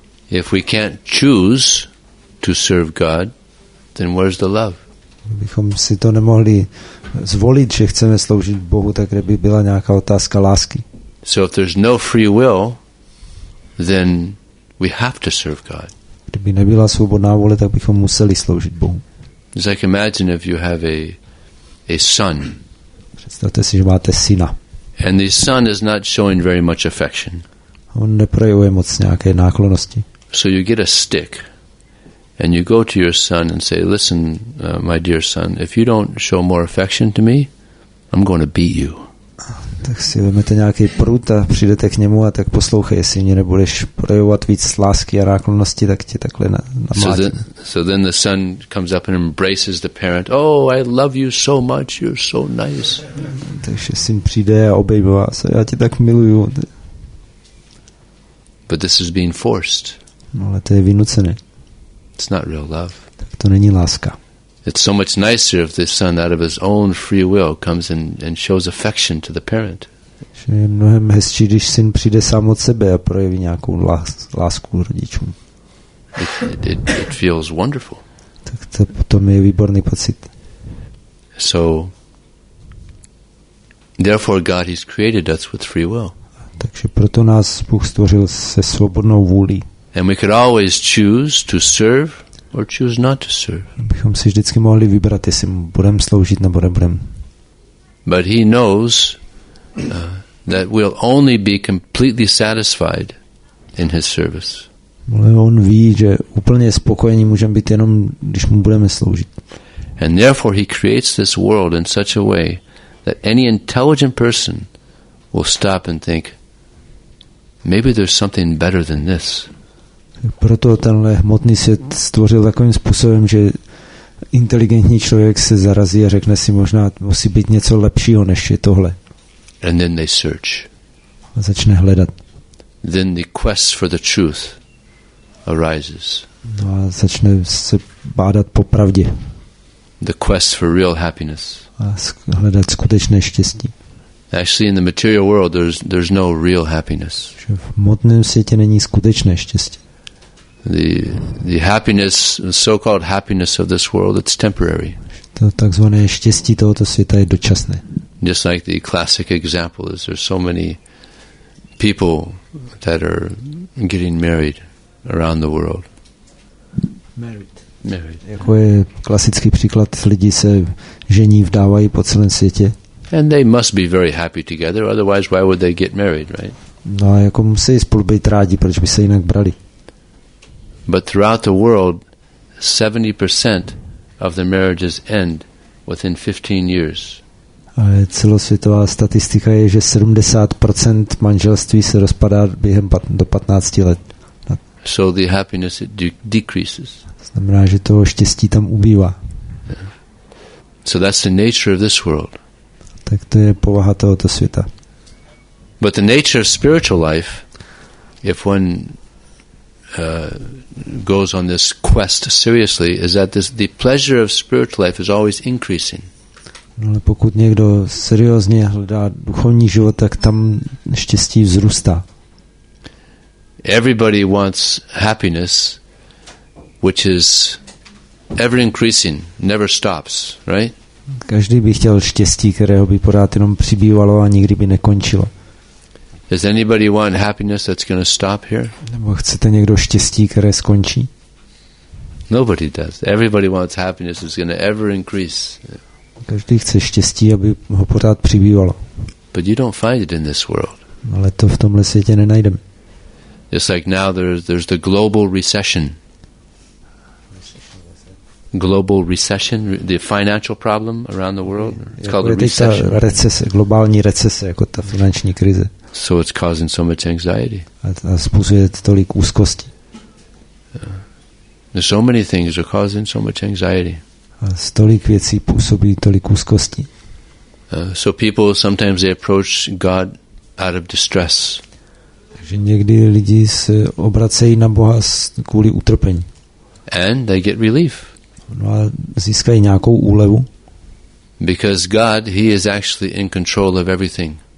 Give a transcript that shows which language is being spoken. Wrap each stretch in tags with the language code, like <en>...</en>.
<en>If we can't choose to serve God, then where's the love?</en> <cs>Kdybychom si to nemohli zvolit, že chceme sloužit Bohu, tak kde by byla nějaká otázka lásky?</cs> <en>So if there's no free will, then we have to serve God.</en> <cs>Kdyby nebyla svobodná vůle, tak bychom museli sloužit Bohu.</cs> <en>It's like imagine if you have a son.</en> <cs>Představte si, že máte syna.</cs> <en>And the son is not showing very much affection.</en> <cs>On neprojevuje moc nějaké náklonosti.</cs> <en>So you get a stick and you go to your son and say, listen, my dear son, if you don't show more affection to me, I'm going to beat you.</en> <cs>Tak si vezmete nějaký prut a přijdete k němu a tak poslouchej, jestli mě nebudeš projevovat víc lásky a náklonosti, tak tě takhle namlátím.</cs> <en>So then the son comes up and embraces the parent. Oh, I love you so much, you're so nice.</en> <cs>Takže syn přijde a obejme vás. Já tě tak miluju.</cs> <en>But this is being forced.</en> <cs>No, ale to je vynucené.</cs> <en>It's not real love.</en> <cs>Tak to není láska.</cs> <en>It's so much nicer if the son out of his own free will comes and shows affection to the parent.</en> <cs>Že je mnohem hezčí, když syn přijde sám od sebe a projeví nějakou lásku rodičům.</cs> <en>It feels wonderful.</en> <cs>Tak to potom je výborný pocit.</cs> <en>So therefore God has created us with free will.</en> <cs>Takže proto nás Bůh stvořil se svobodnou vůlí.</cs> <en>And we could always choose to serve or choose not to serve.</en> <cs>Bychom si vždycky mohli vybrat, jestli budem sloužit nebo nebudem.</cs> <en>But he knows that we'll only be completely satisfied in his service.</en> <cs>Ale on ví, že úplně spokojení můžeme být jenom, když mu budeme sloužit.</cs> <en>And therefore he creates this world in such a way that any intelligent person will stop and think, maybe there's something better than this.</en> <cs>Proto tenhle hmotný svět stvořil takovým způsobem, že inteligentní člověk se zarazí a řekne si, možná musí být něco lepšího než je tohle.</cs> <en>And then they search.</en> <cs>A začne hledat.</cs> <en>Then the quest for the truth arises.</en> <cs>No a začne se bádat po pravdě.</cs> <en>The quest for real happiness.</en> <cs>A hledat skutečné štěstí.</cs> <en>Actually, in the material world, there's no real happiness.</en> <cs>Že v hmotném světě není skutečné štěstí.</cs> <en>The happiness, the so-called happiness of this world, it's temporary.</en> <cs>To takzvané štěstí tohoto světa je dočasné.</cs> <en>Just like the classic example is, there's so many people that are getting married around the world. Married.</en> <cs>Jako je klasický příklad, lidi se žení, vdávají po celém světě.</cs> <en>And they must be very happy together, otherwise why would they get married, right?</en> <cs>No, jako musí spolu být rádi, proč by se jinak brali?</cs> <en>But throughout the world, 70% of the marriages end within 15 years.</en> <cs>Ale celosvětová statistika je, že 70% manželství se rozpadá během do 15 let.</cs> <en>So the happiness decreases.</en> <cs>Znamená, že toho štěstí tam ubývá.</cs> <en>So that's the nature of this world.</en> <cs>Tak to je povaha tohoto světa.</cs> <en>But the nature of spiritual life, if one goes on this quest seriously, is that the pleasure of spiritual life is always increasing.</en> <cs>No, ale pokud někdo seriózně hledá duchovní život, tak tam štěstí vzrůstá.</cs> <en>Everybody wants happiness, which is ever increasing, never stops, right?</en> <cs>Každý by chtěl štěstí, kterého by pořád jenom přibývalo a nikdy by nekončilo.</cs> <en>Does anybody want happiness that's going to stop here?</en> <cs>Nebo chcete někdo štěstí, které skončí?</cs> <en>Nobody does. Everybody wants happiness that's going to ever increase.</en> <cs>Každý chce štěstí, aby ho pořád přibývalo.</cs> <en>But you don't find it in this world.</en> <cs>Ale to v tomhle světě nenajdeme.</cs> <en>Just like now there's the global recession. Global recession, the financial problem around the world. It's called a recession.</en> <cs>Recese, globální recese, jako ta finanční krize.</cs> <en>So it's causing so much anxiety.</en> <cs>A způsobuje tolik úzkosti.</cs> <en>There's so many things are causing so much anxiety.</en> <cs>A tolik věcí působí tolik úzkosti.</cs> <en>So people sometimes they approach God out of distress.</en> <cs>Takže někdy lidi se obracejí na Boha kvůli utrpení.</cs> <en>And they get relief.</en> <cs>No a získají nějakou úlevu.</cs> <en>Because God, he is actually in control of everything.</en>